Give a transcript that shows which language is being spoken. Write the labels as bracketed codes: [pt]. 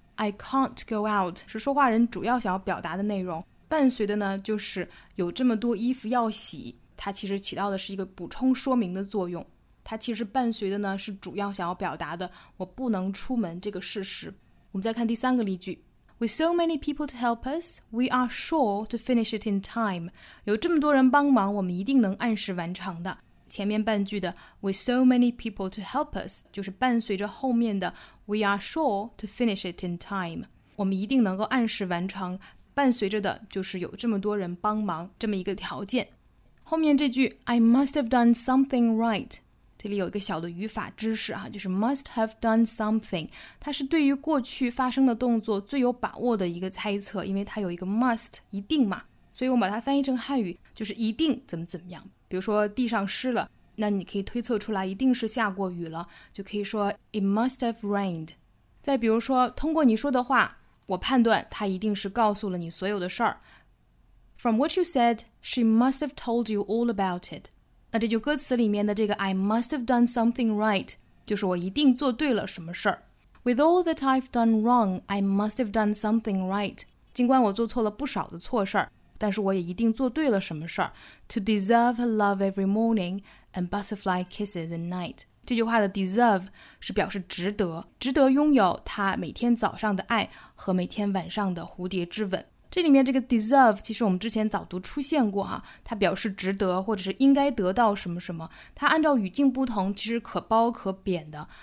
[en] I can't go out [zh] 是说话人主要想要表达的内容，伴随的呢就是有这么多衣服要洗，它其实起到的是一个补充说明的作用，它其实伴随的呢是主要想要表达的我不能出门这个事实。我们再看第三个例句。 [en] With so many people to help us, we are sure to finish it in time. [zh] 有这么多人帮忙，我们一定能按时完成的。前面半句的 [en] With so many people to help us, [zh] 就是伴随着后面的 [en] We are sure to finish it in time. [zh] 我们一定能够按时完成，伴随着的就是有这么多人帮忙这么一个条件。 [en] 后面这句 I must have done something right. [zh] 这里有一个小的语法知识啊，就是 [en] must have done something， [zh] 它是对于过去发生的动作最有把握的一个猜测，因为它有一个 must， 一定嘛，所以我们把它翻译成汉语，就是一定怎么怎么样。比如说地上湿了，那你可以推测出来一定是下过雨了，就可以说 [en] it must have rained。 [zh] 再比如说通过你说的话，我判断他一定是告诉了你所有的事儿。 [en] From what you said, she must have told you all about it。 [zh] 那这句歌词里面的这个 [en] I must have done something right， [zh] 就是我一定做对了什么事儿。 [en] With all that I've done wrong, I must have done something right。 [zh] 尽管我做错了不少的错事儿，但是我也一定做对了什么事儿。 [en] To deserve her love every morning and butterfly kisses at night。 [zh] 这句话的 deserve 是表示值得，值得拥有她每天早上的爱和每天晚上的蝴蝶之吻。这里面这个 deserve 其实我们之前早读出现过哈，它表示值得或者是应该得到什么什么，它按照语境不同其实可褒可贬的。